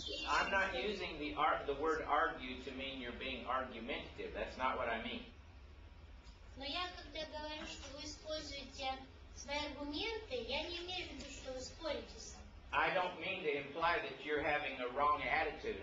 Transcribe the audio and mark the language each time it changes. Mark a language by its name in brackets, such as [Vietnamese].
[English] I'm not using the word argue to mean you're being argumentative. That's not what I mean. [Russian] Но я когда говорю, что вы используете свои аргументы, я не имею в виду, что вы спорите со мной. [English] I don't mean to imply that you're having a wrong attitude.